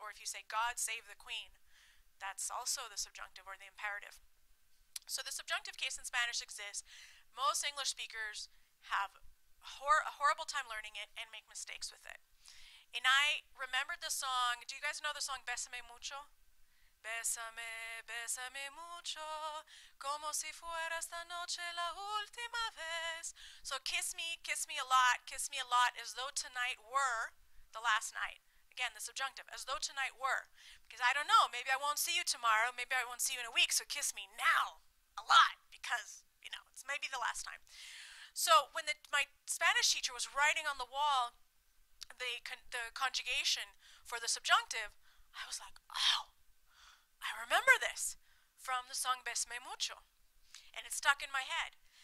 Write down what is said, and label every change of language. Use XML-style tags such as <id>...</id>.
<en>Or if you say, God save the queen, that's also the subjunctive or the imperative. So the subjunctive case in Spanish exists. Most English speakers have a horrible time learning it and make mistakes with it. And I remembered the song. Do you guys know the song Bésame Mucho?</en> <es>Bésame, bésame mucho, como si fuera esta noche la última vez.</es> <en>So kiss me a lot, as though tonight were the last night. Again, the subjunctive, as though tonight were. Because I don't know, maybe I won't see you tomorrow, maybe I won't see you in a week, so kiss me now, a lot, because, you know, it's maybe the last time. So when my Spanish teacher was writing on the wall the conjugation for the subjunctive, I was like, oh, I remember this from the song Besame Mucho, and it stuck in my head.</en>